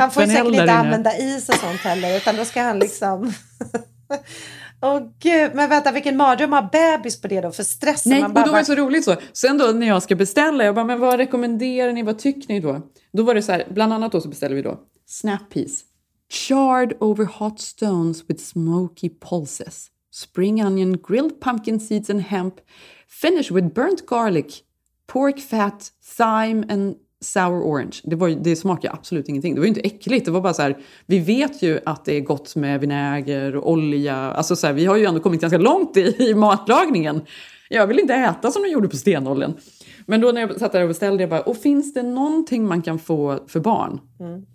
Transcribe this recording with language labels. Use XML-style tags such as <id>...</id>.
<sv>Han får säkert inte använda is och sånt heller. Utan då ska han liksom... Oh, gud. Men vänta, vilken mardröm har bebis på det då? För stressen. Nej, man bara, och då var det så roligt så. Sen då när jag ska beställa, jag bara, men vad rekommenderar ni? Vad tycker ni då? Då var det så här, bland annat då så beställer vi då snap peas.</sv> <en>Charred over hot stones with smoky pulses. Spring onion, grilled pumpkin seeds and hemp. Finish with burnt garlic. Pork fat, thyme and sour orange.</en> <sv>Det smakar absolut ingenting. Det var ju inte äckligt. Det var bara så här, vi vet ju att det är gott med vinäger och olja. Alltså så här, vi har ju ändå kommit ganska långt i matlagningen. Jag vill inte äta som de gjorde på stenåldern. Men då när jag satt där och beställde, jag bara, och finns det någonting man kan få för barn? Mm.</sv>